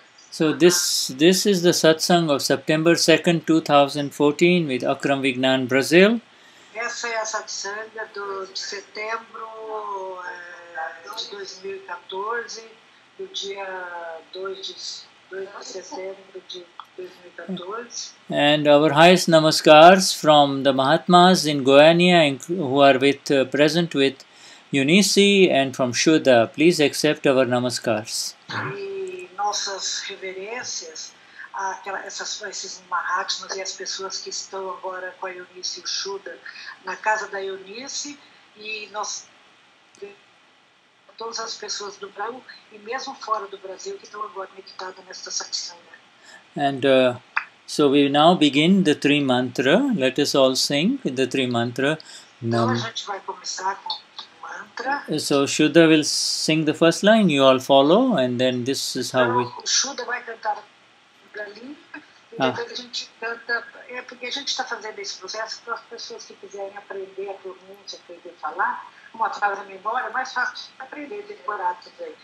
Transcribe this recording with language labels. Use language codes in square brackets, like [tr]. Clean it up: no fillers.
[en] So this is the satsang of September 2nd, 2014 with Akram Vignan, Brazil. [pt] Essa é a satsanga de setembro de 2014, do dia 2 de setembro de 2014. [en] And our highest namaskars from the Mahatmas in Goania who are with present with Eunice and from Shuddha. Please accept our namaskars. [pt] E nossas reverências a esses Mahatmas e as pessoas que estão agora com a Eunice e o Shuddha na casa da Eunice e nós todas as pessoas do Brasil e mesmo fora do Brasil que estão agora meditando nesta satsanga. [en] And so we now begin the three mantra. Let us all sing the three mantra. [pt] Então a gente vai começar com mantra. [en] So Shuddha will sing the first line, you all follow, and then this is how we... [pt] Shuddha vai cantar a primeira linha, e depois a gente canta... É porque a gente está fazendo esse processo para as pessoas que quiserem aprender a pronúncia, aprender a falar. Uma frase menor é mais fácil de aprender, decorar tudo aí.